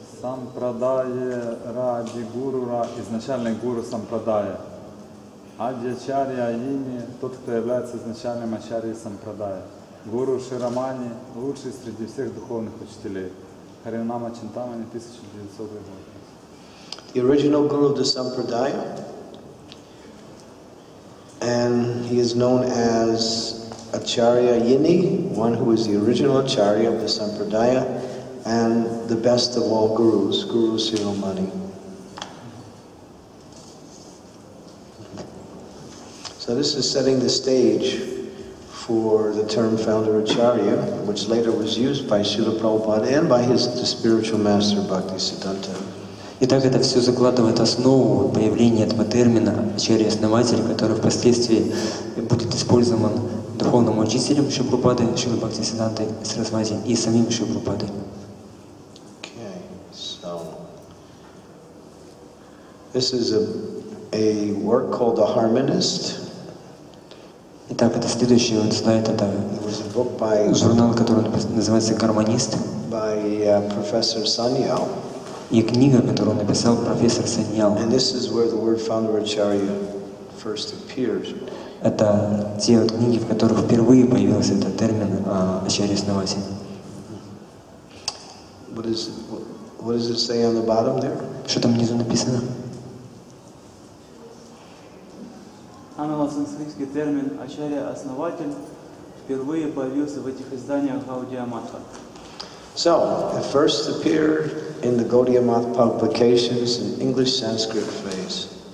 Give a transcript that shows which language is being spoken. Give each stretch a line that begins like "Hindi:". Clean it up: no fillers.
Russian: Сампрадая ради гуру ра. Изначальный гуру сампрадая. Адьячарья Айини, тот, кто является изначальным Ачарьей Сампрадая. Гуру Ширамани, лучший среди всех духовных учителей. Харинама Чинтамани, 1900 год.
English: The original Guru of the Sampradaya, and he is known as Acharya Ayini, one who is the original Acharya of the Sampradaya, and the best of all Gurus, Guru Ширамани. So this is setting the stage for the term founder Acharya, which later was used by Srila Prabhupada and by his the spiritual master Bhaktisiddhanta.
Russian: Итак, это все закладывает основу появления этого термина Ачарья основатель, который впоследствии будет использован духовным учителем Шри Прабхупады, Шрилой Бхактисиддхантой Сарасвати и самим Шри Прабхупадой.
English: Okay, so this is a work called The Harmonist.
Russian: Итак, это следующий вот слайд, это журнал, который называется «Гармонист».
English: By Professor Sanyal.
Russian: И книга, которую написал профессор Саньял.
English: And this is where the word Founder Acharya first appears.
Russian: Это те вот книги, в которых впервые появился этот термин Ачарья основатель.
English: What does it say on the bottom there?
Russian: Что там внизу написано? Англо-санскритский термин Ачарья основатель впервые появился в этих изданиях Гаудия Матха.
English: So, it first appeared in the Gaudiya Matha publications in English Sanskrit phase.